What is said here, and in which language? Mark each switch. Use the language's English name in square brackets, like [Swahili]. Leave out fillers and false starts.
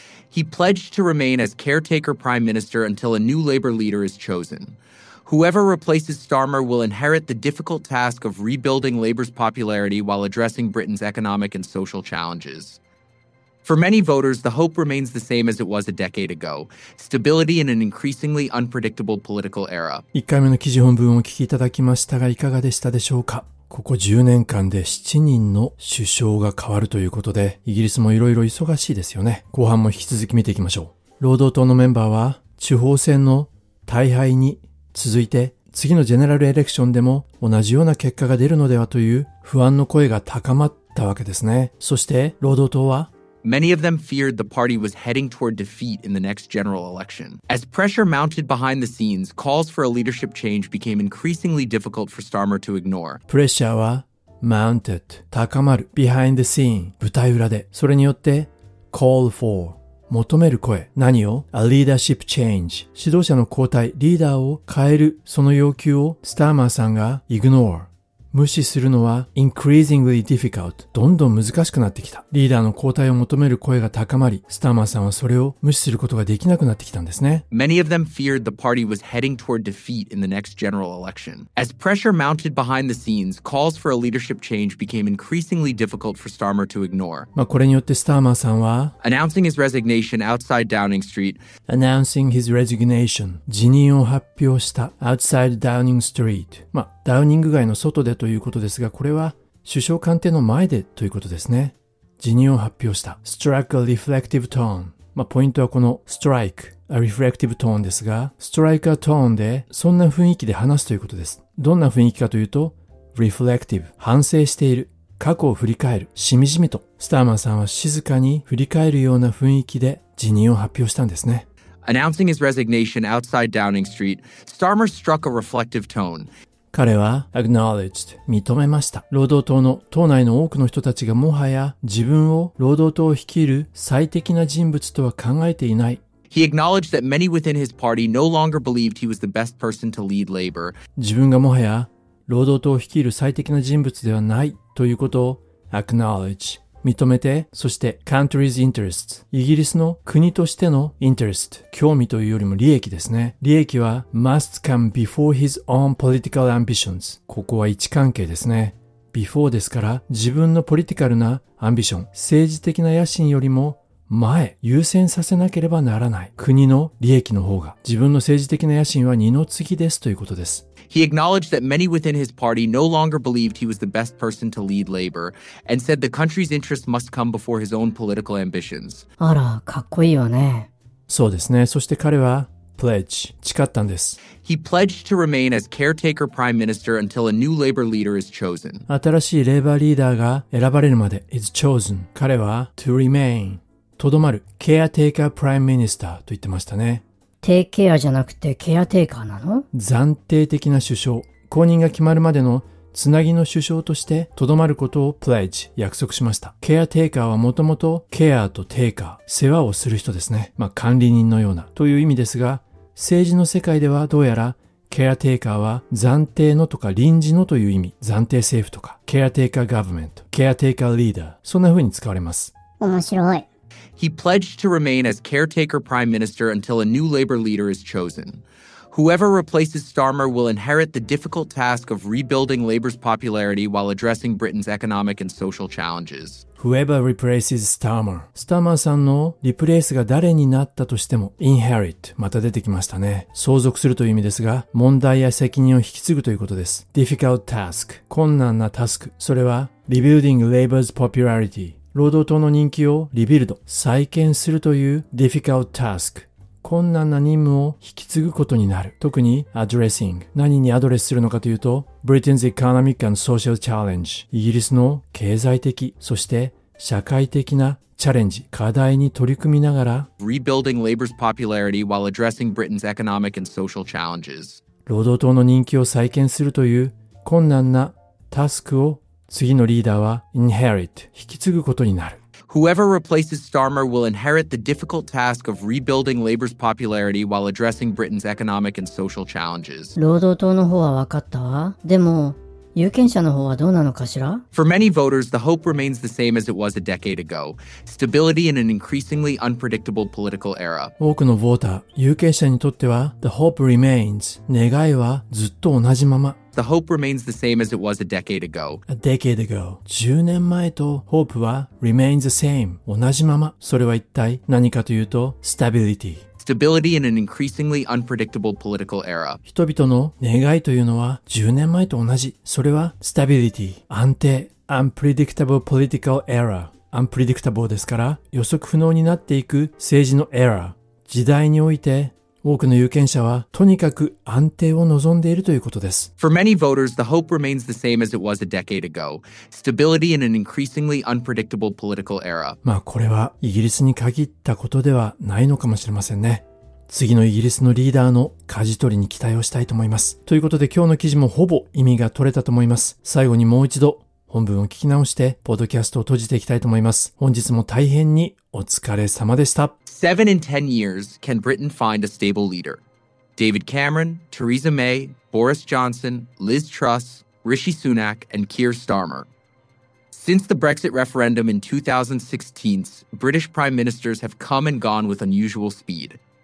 [English] He pledged to remain as caretaker prime minister until a new Labour leader is chosen. Whoever replaces Starmer will inherit the difficult task of rebuilding Labour's popularity while addressing Britain's economic and social challenges. For many voters, the hope remains the same as it was a decade ago. Stability in an increasingly unpredictable political era. [Japanese] 1回目の記事本文を聞きいただきましたが、いかがでしたでしょうか? ここ10年間で7人の首相が変わるということで、イギリスもいろいろ忙しいですよね。後半も引き続き見ていきましょう。労働党のメンバーは、地方選の大敗に、続いて次のジェネラルエレクションでも同じような結果が出るのではという不安の声が高まったわけですね。そして労働党は [English] Many of them feared the party was heading toward defeat in the next general election. As pressure mounted behind the scenes, calls for a leadership change became increasingly difficult for Starmer to ignore. [Japanese] プレッシャーは mounted 高まる [English] behind the scene [Japanese] 舞台裏でそれによって [English] call for [Japanese] 求める声、何を [English] A leadership change、 [Japanese] 指導者の交代、リーダーを変える、その要求をスターマーさんが ignore、 無視するのは [English] increasingly difficult、 [Japanese] どんどん難しくなってきた。リーダーの交代を求める声が高まり、スターマーさんはそれを無視することができなくなってきたんですね。 [English] Many of them feared the party was heading toward defeat in the next general election. As pressure mounted behind the scenes, calls for a leadership change became increasingly difficult for Starmer to ignore. [Japanese] まあこれによってスターマーさんは [English] Announcing his resignation outside Downing Street. Announcing his resignation. [Japanese] 辞任を発表した [English] outside Downing Street. [Japanese] まあダウニング街の外でということですが、これは首相官邸の前でということですね。辞任を発表した。 [English] Struck a reflective tone. [Japanese] まあポイントはこの [English] strike a reflective tone [Japanese] ですが、 [English] strike a tone [Japanese] でそんな雰囲気で話すということです。どんな雰囲気かというと、reflective 反省している。過去を振り返る。しみじみと。スターマンさんは静かに振り返るような雰囲気で辞任を発表したんですね。 [English] Announcing his resignation outside Downing Street, Starmer struck a reflective tone. [Japanese] 彼は acknowledged 認めました。労働党の党内の多くの人たちがもはや自分を労働党を率いる最適な人物とは考えていない。 [English] He acknowledged that many within his party no longer believed he was the best person to lead labor. [Japanese] 自分がもはや労働党を率いる最適な人物ではないということを acknowledge 認めて、そして [English] country's interest [Japanese] イギリスの国としての interest 興味というよりも利益ですね。利益は [English] must come before his own political ambitions。 [Japanese] ここは位置関係ですね。before ですから自分のポリティカルなアンビション、政治的な野心よりも前、優先させなければならない。国の利益の方が、自分の政治的な野心は二の次ですということです。 [English] He acknowledged that many within his party no longer believed he was the best person to lead labor and said the country's interest must come before his own political ambitions. [Japanese] あら、かっこいいわね。そうですね。そして彼は pledge 誓ったんです。 [English] He pledged to remain as caretaker prime minister until a new labor leader is chosen. [Japanese] 新しいレーバーリーダーが選ばれるまで [English] is chosen. [Japanese] 彼は [English] to remain [Japanese] とどまる [English] caretaker prime minister [Japanese] と言ってましたね。テイケアじゃなくてケアテイカーなの？暫定的な首相、後任が決まるまでのつなぎの首相としてとどまることをプレッジ、約束しました。ケアテイカーはもともとケアとテイカー、世話をする人ですね。まあ管理人のようなという意味ですが、政治の世界ではどうやらケアテイカーは暫定のとか臨時のという意味、暫定政府とかケアテイカーガバメント、ケアテイカーリーダー、そんな風に使われます。面白い。 [English] He pledged to remain as caretaker prime minister until a new labor leader is chosen. Whoever replaces Starmer will inherit the difficult task of rebuilding labor's popularity while addressing Britain's economic and social challenges. Whoever replaces Starmer. [Japanese] Starmer さんのリプレイスが誰になったとしても inherit、 また出てきましたね。相続するという意味ですが、問題や責任を引き継ぐということです。 [English] Difficult task、 [Japanese] 困難なタスク、それは [English] rebuilding labor's popularity、 [Japanese] 労働党の人気をリビルド、再建するという [English] difficult task、 [Japanese] 困難な任務を引き継ぐことになる。特に addressing、 何にアドレスするのかというと [English] Britain's economic and social challenge、 [Japanese] イギリスの経済的そして社会的なチャレンジ、課題に取り組みながら [English] rebuilding labor's popularity while addressing Britain's economic and social challenges、 [Japanese] 労働党の人気を再建するという困難なタスクを次のリーダーは inherit、 引き継ぐことになる。 [English] Whoever replaces Starmer will inherit the difficult task of rebuilding labor's popularity while addressing Britain's economic and social challenges. [Japanese] 労働党の方は分かったわ。でも有権者の方はどうなのかしら？ [English] For many voters, the hope remains the same as it was a decade ago. Stability in an increasingly unpredictable political era. [Japanese] 多くのボーター、有権者にとっては [English] the hope remains、 [Japanese] 願いはずっと同じまま。 [English] The hope remains the same as it was a decade ago. A decade ago. [Japanese] 10年前と hope は [English] remains the same、 [Japanese] 同じまま。それは一体何かというと stability。 [English] Stability in an increasingly unpredictable political era. [Japanese] 人々の願いというのは10年前と同じ。それは stability、 安定。 [English] Unpredictable political era。 [Japanese] Unpredictable ですから予測不能になっていく政治の era、 時代において、多くの有権者はとにかく安定を望んでいるということです。 [English] For many voters, the hope remains the same as it was a decade ago. Stability in an increasingly unpredictable political era. [Japanese] まあこれはイギリスに限ったことではないのかもしれませんね。次のイギリスのリーダーの舵取りに期待をしたいと思います。ということで今日の記事もほぼ意味が取れたと思います。最後にもう一度本文を聞き直してポッドキャストを閉じていきたいと思います。本日も大変にお疲れ様でした。 [English] 7 in 10 years can Britain find a stable leader? David Cameron, Theresa May, Boris Johnson, Liz Truss, Rishi Sunak and Keir Starmer. Since the Brexit referendum in 2016, British prime ministers have come and gone with unusual speed.